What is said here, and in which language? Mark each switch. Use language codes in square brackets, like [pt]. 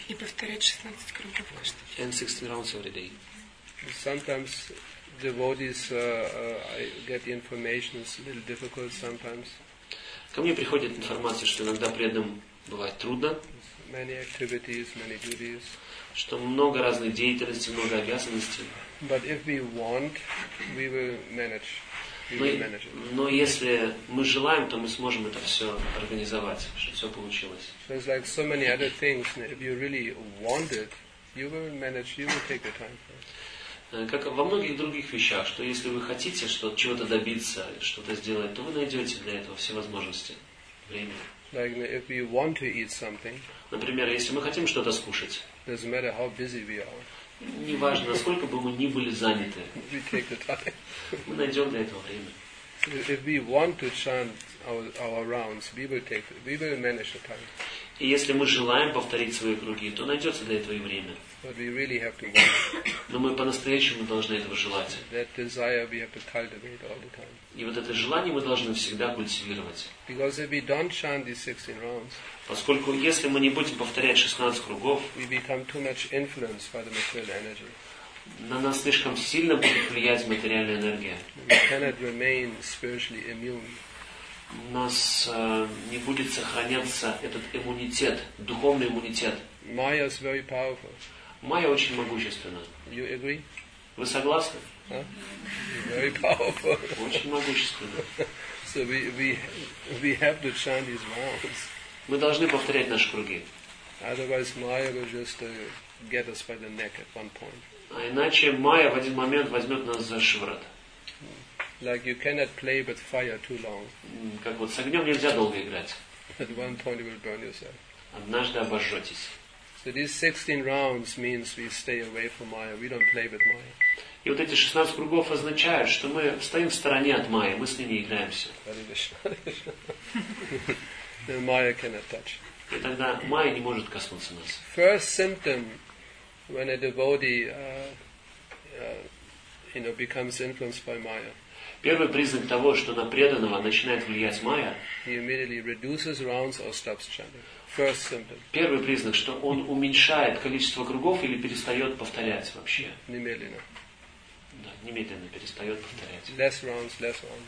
[ru] И повторять 16 кругов каждый. [en] And 16 rounds every day. Sometimes devotees get the information is a little difficult sometimes. [ru] Ко мне приходит информация, что иногда преданным бывает трудно. [en] Many activities, many duties. [ru] Что много разных деятельностей, много обязанностей. [en] But if we want, we will manage. [ru] Но если мы желаем, то мы сможем это все организовать, чтобы все получилось. [en] So it's like so many other things. If you really want it, you will manage. You will take the time. [ru] Как во многих других вещах, что если вы хотите чего-то добиться, что-то сделать, то вы найдете для этого все возможности, время. [en] Like if you want to eat something. [ru] Например, если мы хотим что-то скушать. [en] Doesn't matter how busy we are. [ru] Не важно, насколько бы мы ни были заняты. [en] We take the time. [ru] Мы найдем для этого время. [en] If we want to chant our rounds, we will manage the time. [ru] И если мы желаем повторить свои круги, то найдется для этого и время. [en] But we really have to want. [ru] Но мы по-настоящему должны этого желать. [en] That desire we have to cultivate all the time. [ru] И вот это желание мы должны всегда культивировать. [en] Because if we don't chant these 16 rounds, [ru] поскольку если мы не будем повторять 16 кругов, [en] we become too much influenced by the material energy. [ru] На нас слишком сильно будет влиять материальная энергия. [en] We cannot remain spiritually immune. [ru] У нас не будет сохраняться этот иммунитет, духовный иммунитет. [en] Майя is very powerful. [ru] Майя очень могущественна. [en] You agree? [ru] Вы согласны? [en] Huh? Very powerful. [ru] Очень могущественна. [en] So we have to chant these rounds. [ru] Мы должны повторять наши круги. [en] Otherwise Майя will just get us by the neck at one point. [ru] А иначе Майя в один момент возьмет нас за шиворот. [en] Like you cannot play with fire too long. [ru] Как вот с огнем нельзя долго играть. [en] At one point you will burn yourself. [ru] Однажды обожжетесь. [en] So these 16 rounds means we stay away from Maya. We don't play with Maya. [ru] И вот эти 16 кругов означают, что мы стоим в стороне от Майи, мы с ней не играемся. [en] Then Maya cannot touch. [ru] И тогда Майя не может коснуться нас. [en] First symptom when a devotee, becomes influenced by Maya. [ru] Первый признак того, что на преданного начинает влиять майя. [en] He immediately reduces rounds or stops chanting. First symptom. [ru] Первый признак, что он уменьшает количество кругов или перестает повторять вообще. Немедленно. Да, немедленно перестает повторять. [en] Less rounds.